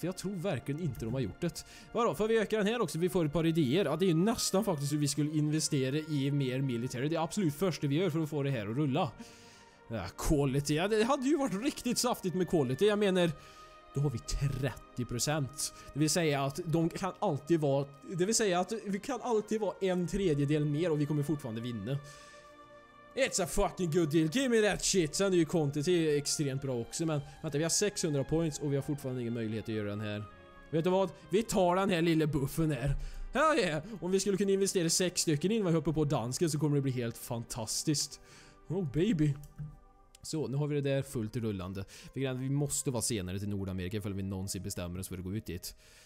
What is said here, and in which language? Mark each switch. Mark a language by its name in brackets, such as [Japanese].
[Swedish] För jag tror verkligen inte de har gjort det. Vadå, får vi öka den här också? Vi får ett par idéer. Ja, det är ju nästan faktiskt hur vi skulle investera i mer military. Det är absolut första vi gör för att få det här att rulla. Quality, ja, det hade ju varit riktigt saftigt med quality. Jag menar, då har vi 30%. Det vill säga att de kan alltid vara, det vill säga att vi kan alltid vara en tredjedel mer och vi kommer fortfarande vinna. [English] It's a fucking good deal, give me that shit. [Swedish] Sen är ju quantity extremt bra också. Men vänta, vi har 600 points och vi har fortfarande ingen möjlighet att göra den här. Vet du vad, vi tar den här lilla buffen här. [English] Hell yeah. [Swedish] Om vi skulle kunna investera 6 stycken innan vi hoppar på dansken, så kommer det bli helt fantastiskt. [English] Oh baby. [Swedish] Så, nu har vi det där fullt rullande. Vi måste vara senare till Nordamerika ifall vi någonsin bestämmer oss för att gå ut dit.